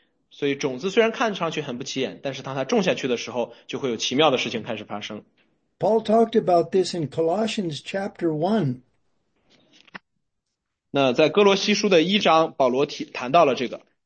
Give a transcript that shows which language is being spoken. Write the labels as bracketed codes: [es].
[zh] 所以种子虽然看上去很不起眼，但是当它种下去的时候，就会有奇妙的事情开始发生。 [en] Paul talked about this in Colossians chapter 1. [zh] 那在哥罗西书的一章，保罗谈到了这个。